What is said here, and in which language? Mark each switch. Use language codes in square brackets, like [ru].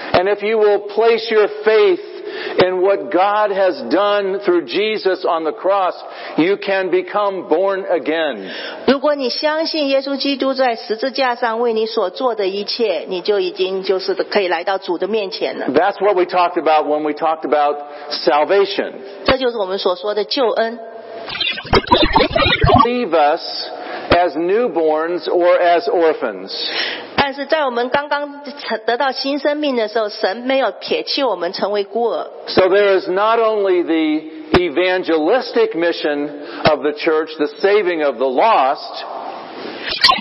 [en] And if you will place your faith in what God has done through Jesus on the cross, you can become born again. [zh] 如果你相信耶稣基督在十字架上为你所做的一切，你就已经就是可以来到主的面前了。 [en] That's what we talked about when we talked about salvation. [zh] 这就是我们所说的救恩。 [en] Leave us as newborns or as orphans. [zh] 但是在我们刚刚得到新生命的时候，神没有撇弃我们成为孤儿。 [en] So there is not only the evangelistic mission of the church, the saving of the lost.